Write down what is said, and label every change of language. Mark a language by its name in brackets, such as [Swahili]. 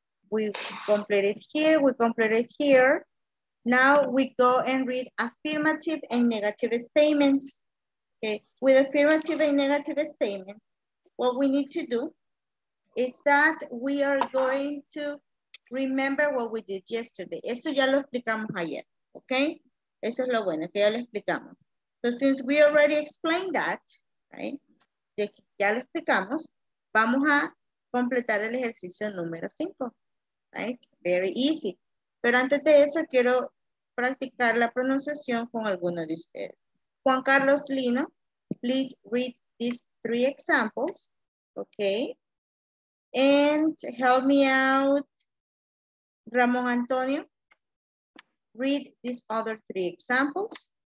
[English] We completed here. We completed here. Now we go and read affirmative and negative statements, okay? With affirmative and negative statements, what we need to do is that we are going to remember what we did yesterday. [Spanish] Esto ya lo explicamos ayer, okay? Eso es lo bueno, que ya lo explicamos. [English] So since we already explained that, right, [Spanish] ya lo explicamos, vamos a completar el ejercicio número 5, [English] right? Very easy. [Spanish] Pero antes de eso, quiero practicar la pronunciación con alguno de ustedes. [English] Juan Carlos Lino, please read these 3 examples, okay? And help me out, Ramón Antonio. Read these other 3 examples.